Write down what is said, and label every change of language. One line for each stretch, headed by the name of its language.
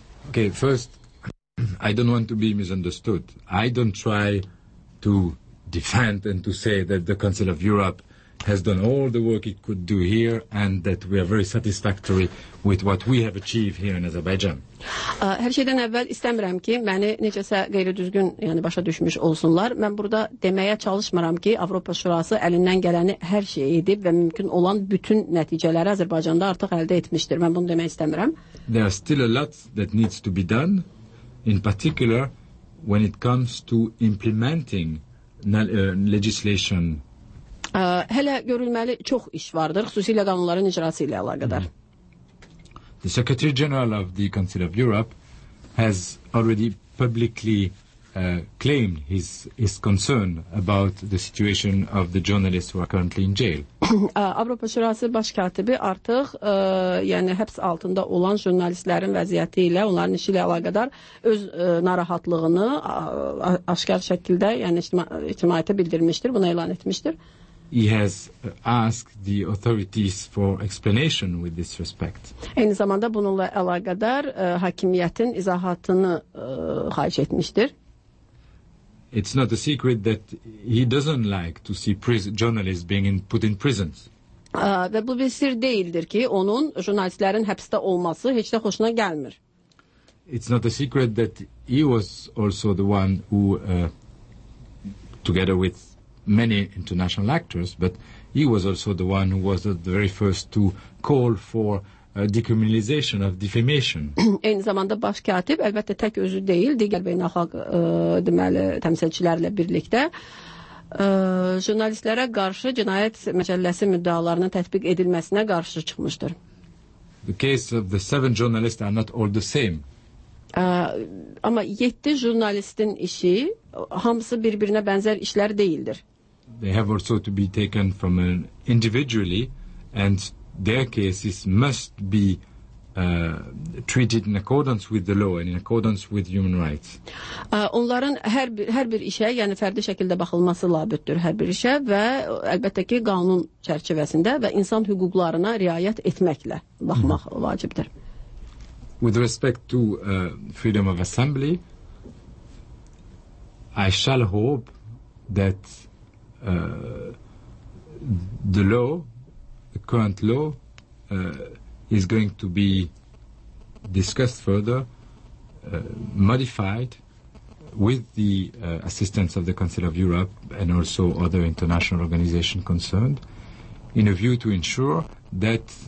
English: Okay, first, I don't want to be misunderstood. I don't try to defend and to say that the Council of Europe has done all the work it could do here and that we are very satisfactory with what we have achieved here in Azerbaijan.
Azerbaijani: Hər şeydən əvvəl istəmirəm ki, məni necəsə qeyri-düzgün yəni başa düşmüş olsunlar. Mən burada deməyə çalışmıram ki, Avropa Şurası əlindən gələni hər şey edib və mümkün olan bütün nəticələri Azərbaycanda artıq əldə etmişdir. Mən bunu demək istəmirəm.
English: There are still a lot that needs to be done, in particular when it comes to implementing legislation.
Azerbaijani: Hələ görülməli çox iş vardır, xüsusilə qanunların icrası ilə əlaqədar.
English: The Secretary General of the Council of Europe has already publicly claimed his concern about the situation of the journalists who are currently in jail.
Azerbaijani: Avropa Şurası baş katibi artıq yəni həbs altında olan jurnalistlərin vəziyyəti ilə, onların işi ilə əlaqədar öz narahatlığını aşkar şəkildə, yəni ictimaiyyətə bildirmişdir, bunu elan etmişdir.
English: He has asked the authorities for explanation with this respect.
Azerbaijani: Eyni zamanda bununla əlaqədar hakimiyyətin izahatını xahiş etmişdir.
English: It's not a secret that he doesn't like to see journalists being put in prisons.
Azerbaijani: Və bu bir sir deyildir ki, onun jurnalistlərin həbsdə olması heç də xoşuna gəlmir.
English: It's not a secret that he was also the one who together with many international actors, but he was also the one who was the very first to call for decriminalization of defamation.
Azerbaijani: Eyni zamanda baş katib əlbəttə tək özü deyil, digər beynəlxalq deməli təmsilçilərlə birlikdə jurnalistlərə qarşı cinayət məcəlləsi müddəalarının tətbiq edilməsinə qarşı çıxmışdır.
English: The case of the 7 journalists are not all the same.
Azerbaijani: Amma 7 jurnalistin işi hamısı bir-birinə bənzər işlər deyildir.
English: They have also to be taken from an individually and their cases must be treated in accordance with the law and in accordance with human rights.
Azerbaijani: Onların hər bir işə, yəni fərdi şəkildə baxılması labüddür hər bir işə və əlbəttə ki qanun çərçivəsində və insan hüquqlarına riayət etməklə baxmaq vacibdir.
English: With respect to freedom of assembly, I shall hope that the law, the current law, is going to be discussed further, modified with the assistance of the Council of Europe and also other international organizations concerned, in a view to ensure that